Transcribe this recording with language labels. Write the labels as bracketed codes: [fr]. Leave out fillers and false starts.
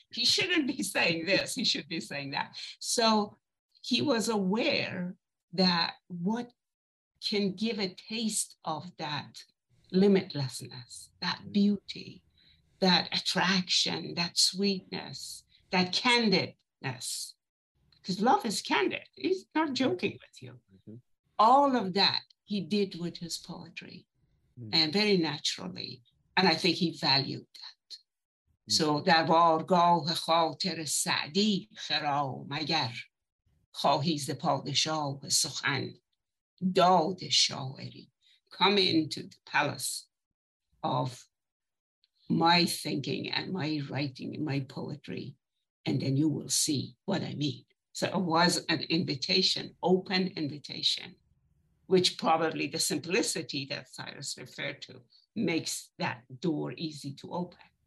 [en] He shouldn't be saying this, he should be saying that." So he was aware that what can give a taste of that limitlessness, that beauty, that attraction, that sweetness, that candidness, because love is candid, he's not joking with you. All of that he did with his poetry and very naturally. And I think he valued that. [fa] So در بارگاه خاطر سعدی خرام اگر خواهی ز پادشاه سخن داد شاعری. [en] Come into the palace of my thinking and my writing and my poetry, and then you will see what I mean. So it was an invitation, open invitation, which probably the simplicity that Cyrus referred to makes that door easy to open.